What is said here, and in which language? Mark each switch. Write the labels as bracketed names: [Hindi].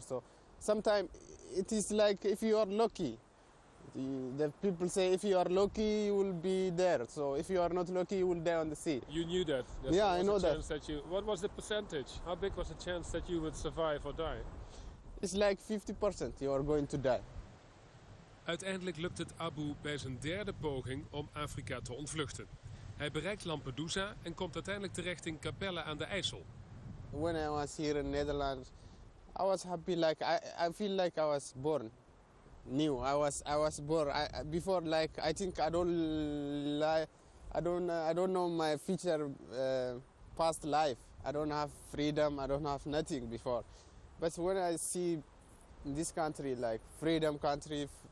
[English] So sometimes it is like if you are lucky. The people say if you are lucky, you will be there. So if you are not lucky, you will die on the sea. You knew that. Yeah, I know that. What was the percentage? How big was the chance that you would survive or die? It's like 50% you are going to die. [Dutch] Uiteindelijk lukt het Abu bij zijn 3e poging om Afrika te ontvluchten. Hij bereikt Lampedusa en komt uiteindelijk terecht in Capelle aan de IJssel. [English] When I was here in Netherland, I was happy. Like I feel like I was born. New. I was born. Before, like I think I don't know my future, past life. I don't have freedom. I don't have nothing before. But when I see this country, like freedom country,